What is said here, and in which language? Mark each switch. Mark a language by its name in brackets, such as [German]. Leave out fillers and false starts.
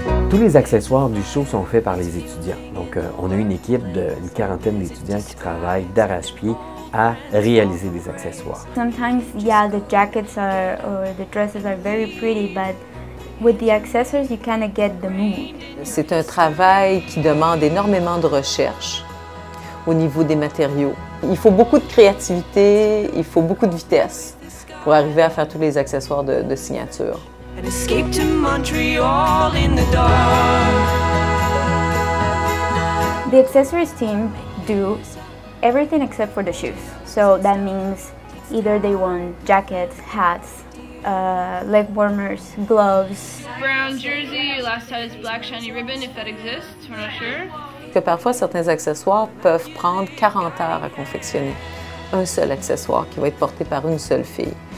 [French] Tous les accessoires du show sont faits par les étudiants. On a une équipe d'une quarantaine d'étudiants qui travaillent d'arrache-pied à réaliser des accessoires. [English] Sometimes, yeah, the jackets are or the dresses are very pretty, but with the accessories, you kind of get the mood. [French] C'est un travail qui demande énormément de recherche au niveau des matériaux. Il faut beaucoup de créativité, il faut beaucoup de vitesse pour arriver à faire tous les accessoires de signature. [English] An escape to Montreal in the dark. The accessories team do everything except for the shoes. So that means either they want jackets, hats, leg warmers, gloves. Brown jersey, last hat is black shiny ribbon, if that exists, we're not sure. [French] Que parfois certains accessoires peuvent prendre 40 heures à confectionner. Un seul accessoire qui va être porté par une seule fille.